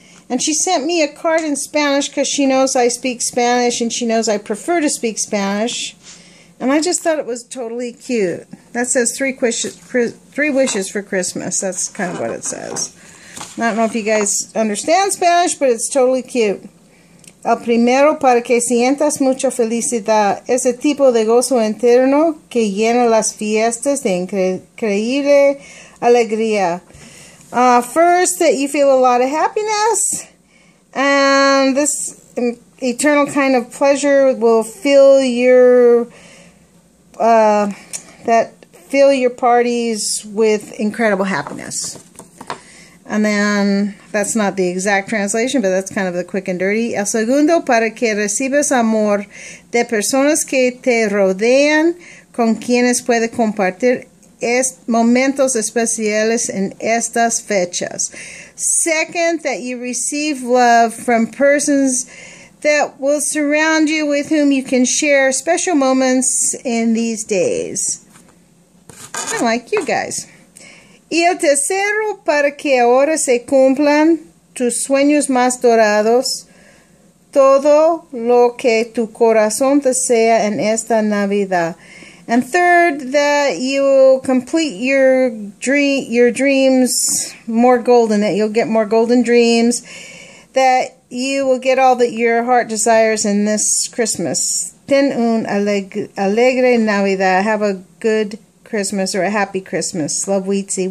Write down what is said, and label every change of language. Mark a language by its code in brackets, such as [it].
[en] And she sent me a card in Spanish because she knows I speak Spanish and she knows I prefer to speak Spanish. And I just thought it was totally cute. That says three wishes for Christmas. That's kind of what it says. I don't know if you guys understand Spanish, but it's totally cute. [es] El primero para que sientas mucha felicidad. Ese tipo de gozo interno que llena las fiestas de increíble alegría. [en] First, that you feel a lot of happiness, and this eternal kind of pleasure will fill your parties with incredible happiness. And then, that's not the exact translation, but that's kind of the quick and dirty. [es] El segundo, para que recibas amor de personas que te rodean, con quienes puedes compartir momentos especiales en estas fechas. [en] Second, that you receive love from persons that will surround you, with whom you can share special moments in these days. I like you guys. [es] Y el tercero, para que ahora se cumplan tus sueños más dorados, todo lo que tu corazón desea en esta Navidad. [en] And third, that you will complete your dreams more golden, that you'll get more golden dreams, that you will get all that your heart desires in this Christmas. [es] Ten un alegre Navidad. [en] Have a good Christmas, or a happy Christmas. Love, Wheatsy.